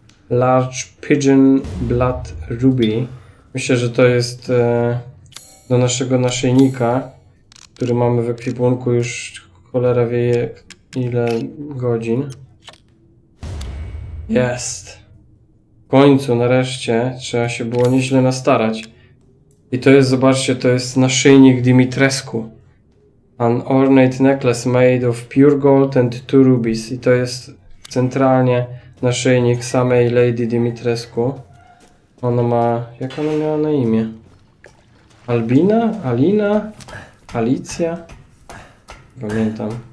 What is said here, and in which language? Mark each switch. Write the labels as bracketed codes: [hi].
[pl] Large Pigeon Blood Ruby. Myślę, że to jest do naszego naszyjnika, który mamy w ekwipunku już cholera wie ile godzin. Jest. W końcu, nareszcie, trzeba się było nieźle nastarać. I to jest, zobaczcie, to jest naszyjnik Dimitrescu. [en] An ornate necklace made of pure gold and two rubies. [pl] I to jest centralnie naszyjnik samej Lady Dimitrescu. Ona ma... jak ona miała na imię? Albina? Alina? Alicja? Pamiętam.